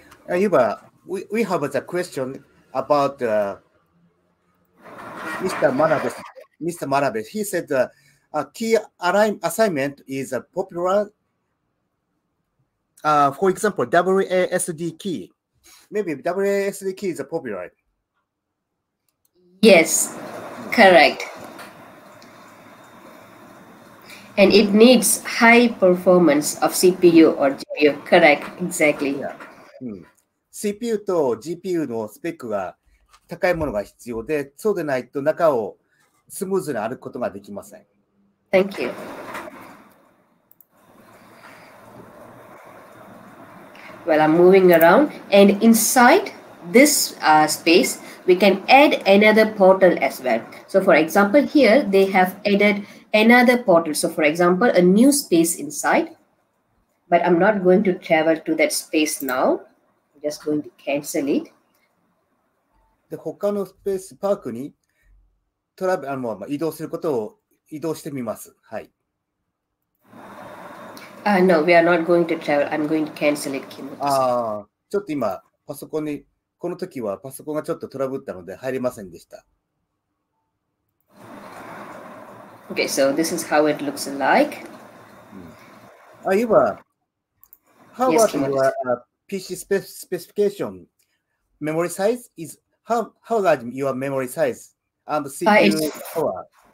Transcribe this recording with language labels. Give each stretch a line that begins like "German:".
English: Yuba, we have a question about Mr. Manabes. He said a key assignment is a popular, for example, WASD key. Maybe WASD key is a popular. Yes, correct. And it needs high performance of CPU or GPU. Correct, exactly.
Japanese: CPU と GPU のスペックが高いものが必要で、そうでないと中をスムーズに歩くことができません。
English: Thank you. Well, I'm moving around. And inside this space, we can add another portal as well. So for example, here they have added another portal. So for example, a new space inside. But I'm not going to travel to that space now. Just going to cancel it.
Japanese: で、他のスペースパークにトラベル、移動することを移動してみます。はい。
English: No, we are not going to travel. I'm going to cancel it, Kimo.
Japanese: ああ、ちょっと今、パソコンに、この時はパソコンがちょっとトラブったので入れませんでした。
English: Okay, so this is how it looks like. How about your PC specification memory size is how large your memory size and the CPU power?